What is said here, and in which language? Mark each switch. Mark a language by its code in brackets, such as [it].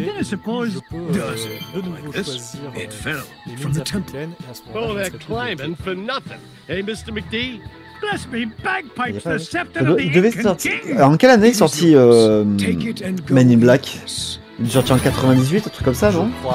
[fr] Et je peux de nouveau choisir les mines africaines et à ce moment-là, [en] climbing for nothing. Hey, Mr. McDee. Bless me, bagpipes, the scepter of the Incan King. [fr] Alors, en quelle année est sorti Men in Black? Il est sorti en 98, un truc comme ça, non?